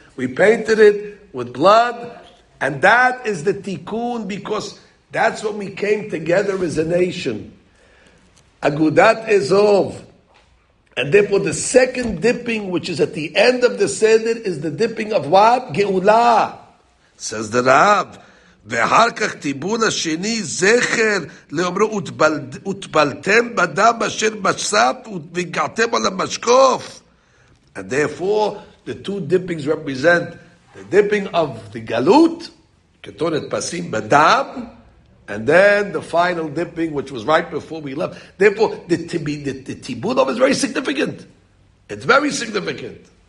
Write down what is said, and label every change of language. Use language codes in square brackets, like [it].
[en] We painted it with blood. And that is the tikkun, because that's when we came together as a nation. Agudat Ezov. And therefore the second dipping, which is at the end of the Seder, is the dipping of what? Geulah. Says the Rav. [he] ואחר כך טיבון השני זכר לאומרו ותבלתם בדם אשר בסף וגעתם על המשקוף. [en] And therefore, the two dippings represent the dipping of the galut, ketonet pasim בדם, and then the final dipping, which was right before we left. Therefore, the tibun of is very significant. It's very significant.